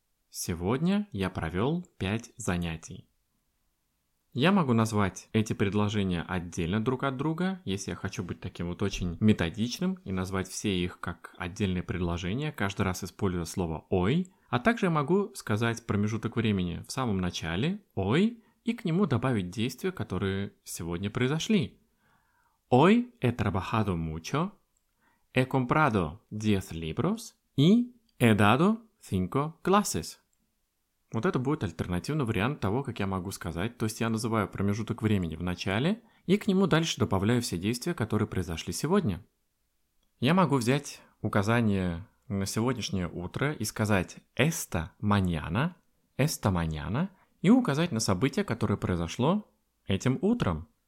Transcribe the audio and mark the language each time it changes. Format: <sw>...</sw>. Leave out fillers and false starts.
<ru>«Сегодня я провел 5 занятий». Я могу назвать эти предложения отдельно друг от друга, если я хочу быть таким вот очень методичным и назвать все их как отдельные предложения, каждый раз используя слово «ой». А также я могу сказать промежуток времени в самом начале «ой» и к нему добавить действия, которые сегодня произошли.</ru> <es>«Hoy he trabajado mucho», «he comprado 10 libros»</es> <ru>и</ru> <es>«he dado 5 clases».</es> <ru>Вот это будет альтернативный вариант того, как я могу сказать. То есть я называю промежуток времени в начале и к нему дальше добавляю все действия, которые произошли сегодня. Я могу взять указание на сегодняшнее утро и сказать «esta mañana», «esta mañana» и указать на событие, которое произошло этим утром.</ru>